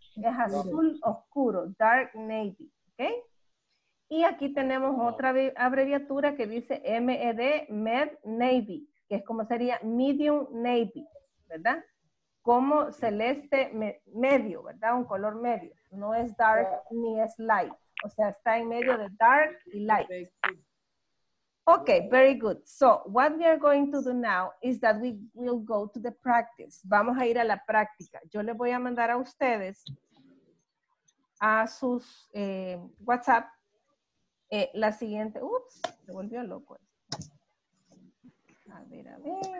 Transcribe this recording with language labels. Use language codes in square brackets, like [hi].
[es] Es azul oscuro, dark navy, ¿ok? Y aquí tenemos otra abreviatura que dice MED, med navy, que es como sería medium navy, ¿verdad? Como celeste medio, ¿verdad? Un color medio. No es dark ni es light. O sea, está en medio de dark y light. [en] Okay, very good. So, what we are going to do now is that we will go to the practice. [es] Vamos a ir a la práctica. Yo les voy a mandar a ustedes a sus WhatsApp la siguiente. Ups, se volvió loco. A ver, a ver.